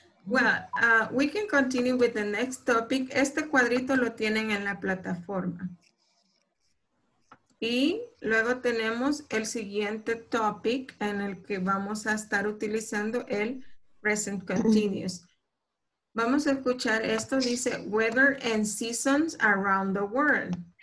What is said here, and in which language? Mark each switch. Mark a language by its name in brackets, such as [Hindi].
[English] Well, we can continue with the next topic. [Spanish] Este cuadrito lo tienen en la plataforma. Y luego tenemos el siguiente topic en el que vamos a estar utilizando el present continuous. Vamos a escuchar esto, dice, [English] weather and seasons around the world.